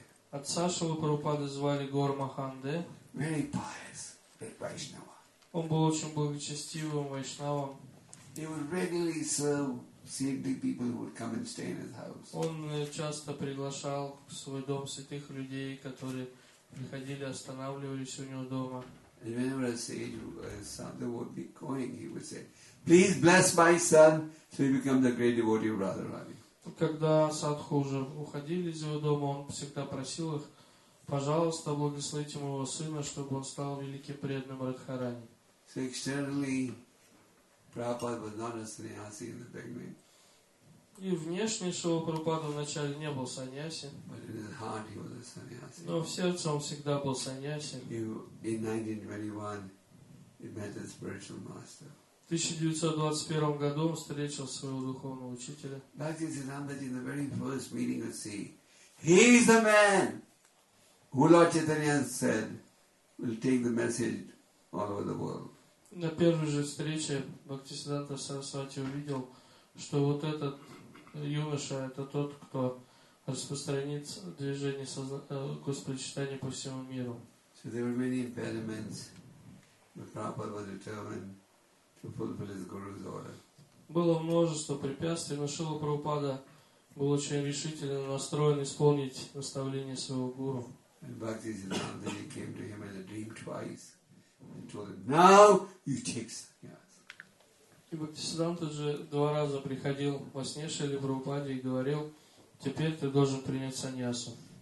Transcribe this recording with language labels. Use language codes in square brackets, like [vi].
[ru] Отца Шрила Прабхупады звали Гор Маханде. [en] Very pious, very Vaishnava. [ru] Он был очень благочестивым вайшнавом. [en] He would regularly serve saintly people who would come and stay in his house. [ru] Он часто приглашал в свой дом святых людей, которые приходили, останавливались у него дома. [en] And whenever a sage or something would be going, he would say, please bless my son, so he becomes a great devotee of Radharani. [ru] Когда садху уже уходили из его дома, он всегда просил их, пожалуйста, благословите моего сына, чтобы он стал великим преданным Радхарани. [en] So externally, Prabhupada was not a sannyasi in the beginning. [ru] И внешне Шрила Прабхупада вначале не был саньяси. [en] But in his heart he was a sannyasi. [ru] Но в сердце он всегда был саньяси. [en] In 1921, he met his spiritual master. [ru] В 1921 году он встретил своего духовного учителя. [en] Bhakti Siddhanta in the very first meeting would see, he is the man who Lord Chaitanya said will take the message all over the world. [ru] На первой же встрече Бхакти Сиддханта Сарасвати увидел, что вот этот юноша, это тот, кто распространит движение Господа Читания по всему миру. [en] So there were many impediments, but Prabhupada was determined to fulfill his guru's order. [ru] Было множество препятствий, но Шрила Прабхупада был очень решительно настроен исполнить наставление своего гуру. [en] And Bhakti Siddhanta came to him in a dream twice and told him, now you take sannyas. [ru] И Бхакти Сиддханта же два раза приходил во сне Шриле Прабхупаде и говорил, теперь ты должен принять саньясу.